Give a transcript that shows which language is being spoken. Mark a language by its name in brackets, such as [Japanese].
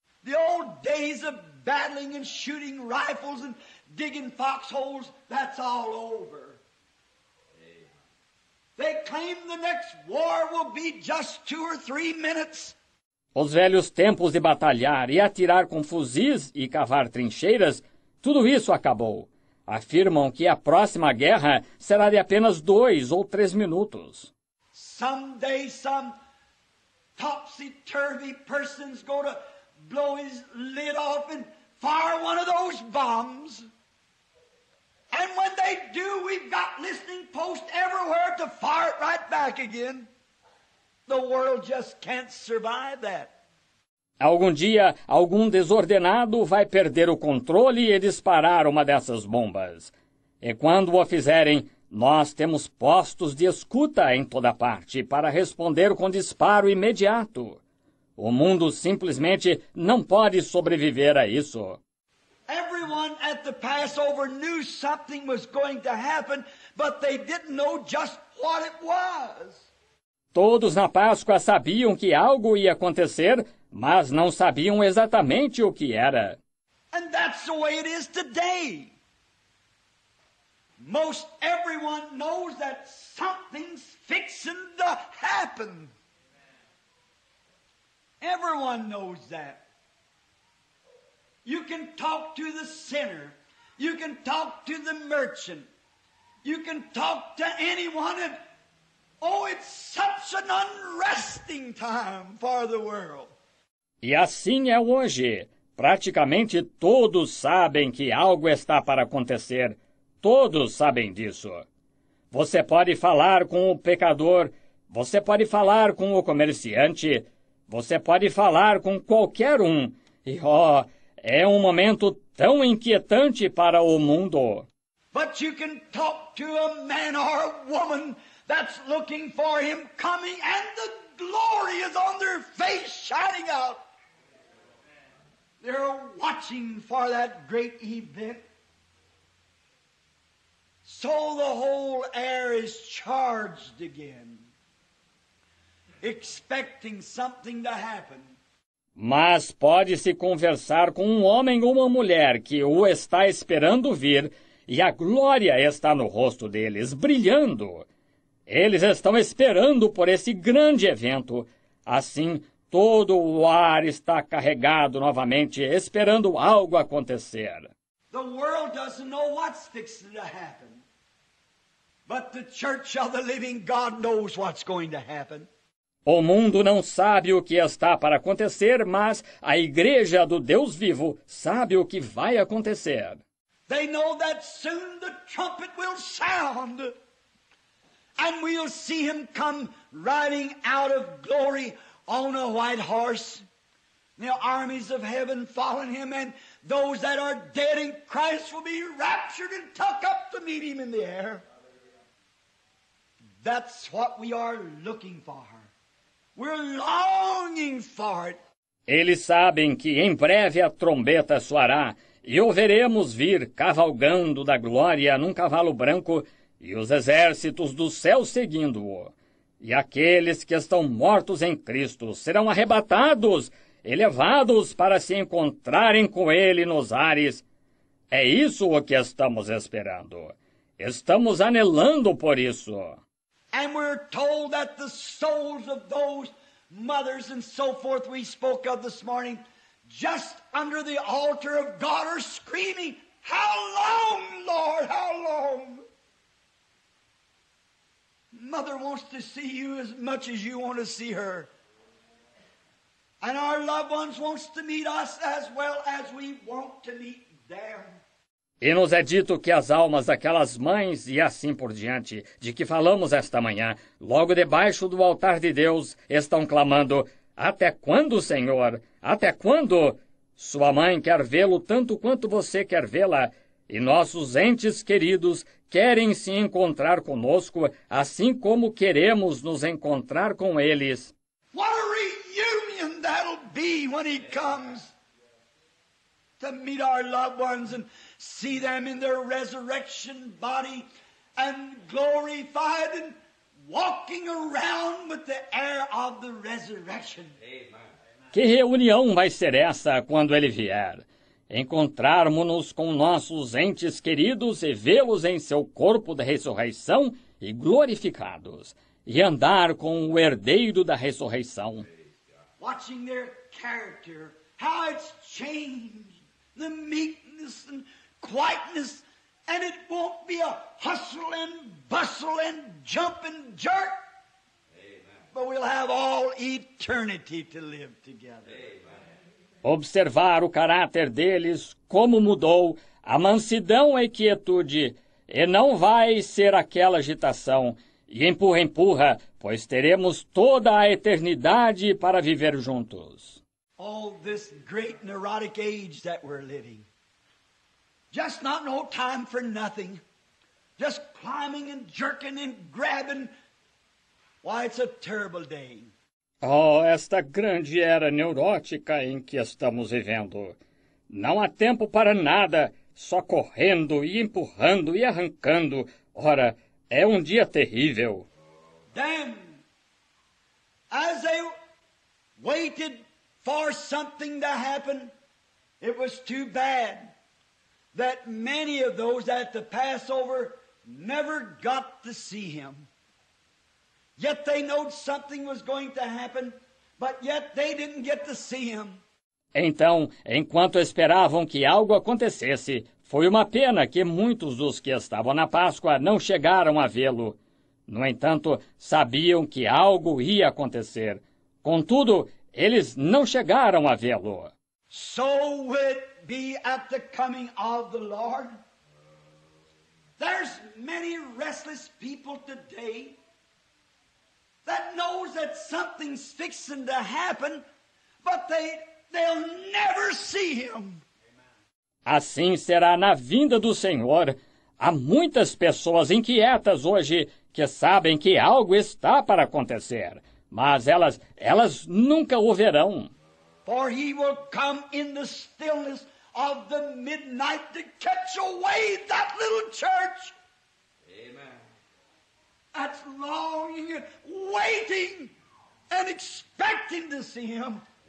[English] The old days of battling and shooting rifles and digging foxholes, that's all over. They claim the next war will be just 2 or 3 minutes. [Portuguese] Os velhos tempos de batalhar e atirar com fuzis e cavar trincheiras, tudo isso acabou. Afirmam que a próxima guerra será de apenas 2 ou 3 minutos. [English] Someday some topsy-turvy person's going to blow his lid off and fire one of those bombs. And when they do, we've got listening posts everywhere to fire it right back again. The world just can't survive that. [Portuguese] Algum dia, algum desordenado vai perder o controle e disparar uma dessas bombas. E quando o fizerem, nós temos postos de escuta em toda parte para responder com disparo imediato. O mundo simplesmente não pode sobreviver a isso. [English] Everyone at the Passover knew something was going to happen, but they didn't know just what it was. [Portuguese] Todos na Páscoa sabiam que algo ia acontecer, mas não sabiam exatamente o que era. [English] And that's the way it is today. Most everyone knows that something's fixing to happen. Everyone knows that. You can talk to the sinner. You can talk to the merchant. You can talk to anyone. And, oh, it's such an unresting time for the world. [Portuguese] E assim é hoje. Praticamente todos sabem que algo está para acontecer. Todos sabem disso. Você pode falar com o pecador. Você pode falar com o comerciante. Você pode falar com qualquer um. E, oh, é um momento tão inquietante para o mundo. [English] But you can talk to a man or a woman that's looking for him coming and the glory is on their face shining out. They're watching for that great event. So the whole air is charged again. Expecting something to happen. [Portuguese] Mas pode-se conversar com um homem ou uma mulher que o está esperando vir, e a glória está no rosto deles, brilhando. Eles estão esperando por esse grande evento. Assim, Todo o ar está carregado novamente, esperando algo acontecer. [English] The world doesn't know what's fixing to happen. But the church of the living God knows what's going to happen. [Portuguese] O mundo não sabe o que está para acontecer, mas a igreja do Deus vivo sabe o que vai acontecer. [English] They know that soon the trumpet will sound. And we'll see him come riding out of glory on a white horse. The armies of heaven following him, and those that are dead in Christ will be raptured and tucked up to meet him in the air. That's what we are looking for. We're longing for it. [Portuguese] Eles sabem que em breve a trombeta soará, e o veremos vir cavalgando da glória num cavalo branco, e os exércitos do céu seguindo-o. E aqueles que estão mortos em Cristo serão arrebatados, elevados para se encontrarem com Ele nos ares. É isso o que estamos esperando. Estamos anelando por isso. [English] And we're told that the souls of those mothers and so forth we spoke of this morning, just under the altar of God, are screaming, "How long, Lord? How long?" Mother wants to see you as much as you want to see her. And our loved ones wants to meet us as well as we want to meet them. [Portuguese] E nos é dito que as almas daquelas mães e assim por diante, de que falamos esta manhã, logo debaixo do altar de Deus, estão clamando, "Até quando, Senhor? Até quando?" Sua mãe quer vê-lo tanto quanto você quer vê-la, e nossos entes queridos querem se encontrar conosco, assim como queremos nos encontrar com eles. [English] What a reunion that'll be when he comes to meet our loved ones and see them in their resurrection body and glorified and walking around with the air of the resurrection. [Portuguese] Que reunião vai ser essa quando ele vier? Encontrarmos-nos com nossos entes queridos e vê-los em seu corpo da ressurreição e glorificados, e andar com o herdeiro da ressurreição. [English] Watching their character, how it's changed, the meekness and quietness, and it won't be a hustle and bustle and jump and jerk. Amen. But we'll have all eternity to live together. Amen. [Portuguese] Observar o caráter deles, como mudou, a mansidão e quietude, e não vai ser aquela agitação, e empurra, empurra, pois teremos toda a eternidade para viver juntos. [English] All this great neurotic age that we're living, just not no time for nothing, just climbing and jerking and grabbing, why it's a terrible day. [Portuguese] Oh, esta grande era neurótica em que estamos vivendo. Não há tempo para nada, só correndo e empurrando e arrancando. Ora, é um dia terrível. [English] Then, as they waited for something to happen, it was too bad that many of those at the Passover never got to see him. Yet they knew something was going to happen, but yet they didn't get to see him. [Portuguese] Então, enquanto esperavam que algo acontecesse, foi uma pena que muitos dos que estavam na Páscoa não chegaram a vê-lo. No entanto, sabiam que algo ia acontecer. Contudo, eles não chegaram a vê-lo. [English] So will it be at the coming of the Lord. There's many restless people today that knows that something's fixing to happen, but they'll never see him. [Portuguese] Assim será na vinda do Senhor. Há muitas pessoas inquietas hoje que sabem que algo está para acontecer, mas elas nunca o verão. [English] For he will come in the stillness of the midnight to catch away that little church. That's longing, waiting, and expecting to see him.